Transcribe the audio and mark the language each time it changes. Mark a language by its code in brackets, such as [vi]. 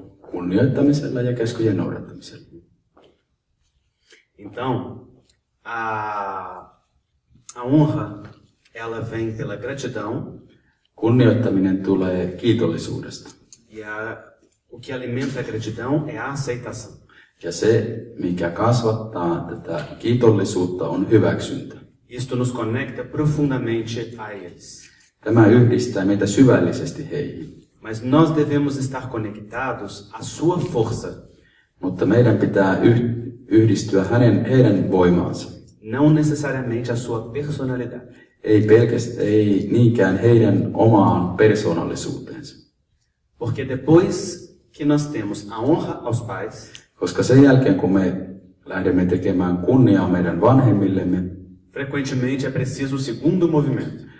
[fi] Kunnioittamisella ja käskyjen noudattamisella. [pt] Então, a honra ela vem pela gratidão. [fi] Kunnioittaminen tulee kiitollisuudesta. [pt] Ja o que alimenta a gratidão é a aceitação. [fi] Ja se, mikä kasvattaa tätä kiitollisuutta, on hyväksyntä. [pt] Isto nos conecta profundamente a eles. [fi] Tämä yhdistää meitä syvällisesti heihin. [pt] Mas nós devemos estar conectados à sua força. [fi] Mutta meidän pitää yhdistyä heidän voimaansa. [pt] Não necessariamente à sua personalidade. [fi] Ei pelkästään, ei niinkään heidän omaan persoonallisuuteensa. [pt] Porque depois que nós temos a honra aos pais, [fi] koska sen jälkeen, kun me lähdemme tekemään kunniaa meidän vanhemmillemme, [pt] frequentemente é preciso o segundo movimento,